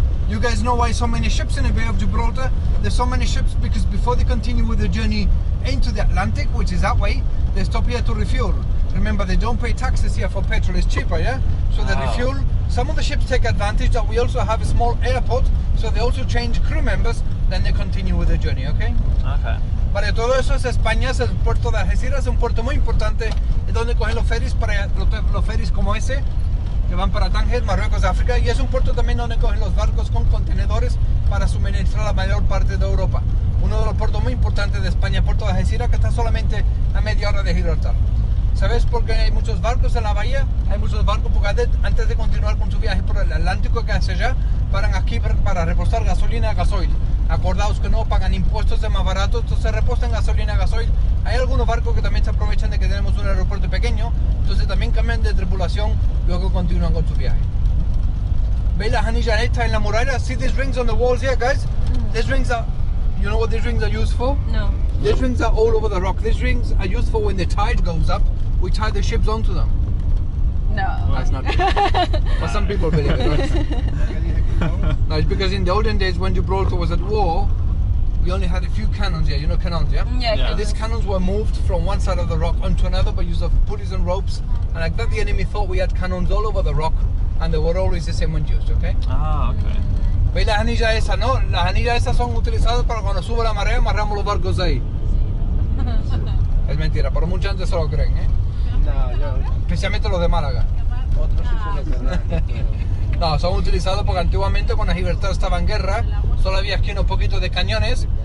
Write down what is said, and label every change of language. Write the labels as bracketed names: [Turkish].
[English] You guys know why so many ships in the Bay of Gibraltar? There's so many ships because before they continue with the journey into the Atlantic, which is that way, they stop here to refuel. Remember, they don't pay taxes here for petrol, it's cheaper, yeah? So they refuel. Some of the ships take advantage that we also have a small airport, so they also change crew members, then they continue with the journey, okay? Okay. [Spanish] Para todo eso es España, es el puerto de Algeciras, es un puerto muy importante, es donde cogen los ferries, para los ferries como ese, que van para Tánger, Marruecos, África, y es un puerto también donde cogen los barcos con contenedores para suministrar la mayor parte de Europa. Uno de los puertos muy importantes de España, el puerto de Algeciras, que está solamente a media hora de Gibraltar. ¿Sabes por qué hay muchos barcos en la bahía? Hay muchos barcos porque antes de continuar con su viaje por el Atlántico que hace allá, paran aquí para repostar gasolina a gasoil. Acordaos que no pagan impuestos, es más barato, entonces repostan gasolina a gasoil. Hay algunos barcos que también se aprovechan de que tenemos un aeropuerto pequeño, entonces también cambian de tripulación, luego continúan con su viaje. ¿Veis las anillas estas en la muralla? [English] See these rings on the walls here, guys? These rings are... You know what these rings are used for? No. These rings are all over the rock. These rings are used for when the tide goes up. We tie the ships onto them. No. That's not good. But some people believe it, right? No, it's because in the olden days when Gibraltar was at war, we only had a few cannons here. You know cannons, yeah? Yeah. And these cannons were moved from one side of the rock onto another by use of pulleys and ropes. And like that, the enemy thought we had cannons all over the rock, and they were always the same when used, okay? Ah, okay. [Spanish] ¿Ve las anillas esas, no? Las anillas esas son utilizadas para cuando sube la marea, amarramos los barcos ahí. Es mentira, pero mucha gente se lo creen, ¿eh? No, especialmente los de Málaga. Otros no, son utilizados porque antiguamente cuando Gibraltar estaba en guerra solo había aquí unos poquitos de cañones.